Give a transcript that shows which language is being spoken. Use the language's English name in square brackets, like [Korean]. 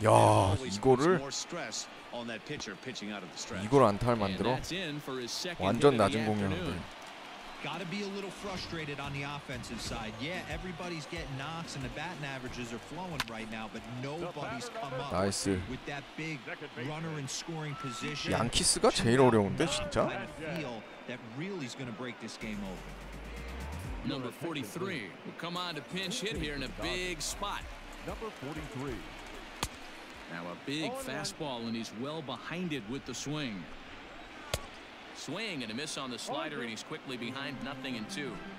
[English] always on that pitcher pitching out of the stretch. [Korean] 이걸 안타를 만들어. 완전 낮은 공격인데. [English] Gotta be a little frustrated on the offensive side. Yeah, everybody's getting knocks and the batting averages are flowing right now, but nobody's come up nice. With that big runner in scoring position. [Korean] 양키스가 제일 어려운데 진짜. [English] That really is gonna break this game open. Number 43 will come on to pinch hit here in a big spot. Number 43. Now a big fastball and he's well behind it with the swing. Swing and a miss on the slider and he's quickly behind, nothing and two.